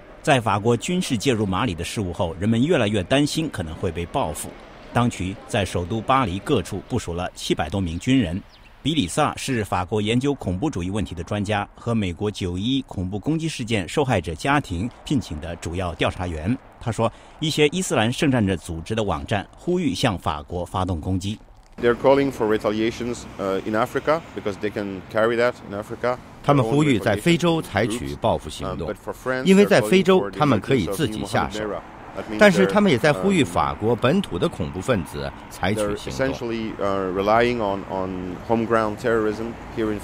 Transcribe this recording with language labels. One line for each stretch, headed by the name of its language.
Chinese: 在法国军事介入马里的事务后，人们越来越担心可能会被报复。当局在首都巴黎各处部署了700多名军人，比里萨是法国研究恐怖主义问题的专家，和美国九一恐怖攻击事件受害者家庭聘请的主要调查员。他说，一些伊斯兰圣战者组织的网站呼吁向法国发动攻击。
English: They're calling for retaliations in Africa because they can carry that in Africa.
Chinese: 他们呼吁在非洲采取报复行动，因为在非洲他们可以自己下手。但是他们也在呼吁法国本土的恐怖分子采取行动。